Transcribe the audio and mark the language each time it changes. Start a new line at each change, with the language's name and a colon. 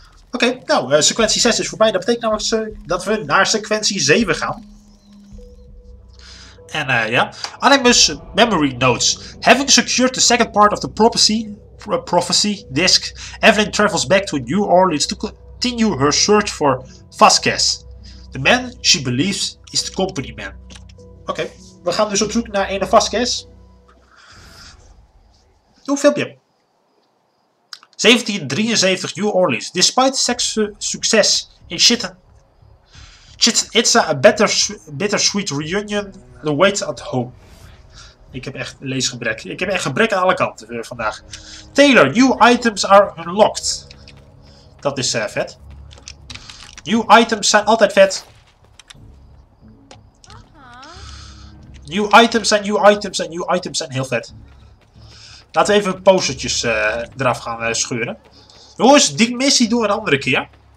Dutch: Oké, nou, sequentie 6 is voorbij. Dat betekent namelijk dat we naar sequentie 7 gaan. En ja. Animus Memory Notes.
English: Having secured the second part of the prophecy disc, Evelyn travels back to New Orleans to continue her search for Vasquez. The man she believes is the company man.
Dutch: Oké, we gaan dus op zoek naar ene Vasquez. Doe een filmpje. 1773 New Orleans.
English: Despite success in Chichen Itza, a bittersweet reunion awaits at home.
Dutch: Ik heb echt leesgebrek. Ik heb echt gebrek aan alle kanten vandaag.
English: Taylor, new items are unlocked.
Dutch: Dat is vet. New items zijn altijd vet. New items en new items en new items en heel vet. Laten we even postertjes eraf gaan scheuren. Jongens, die missie doen we een andere keer.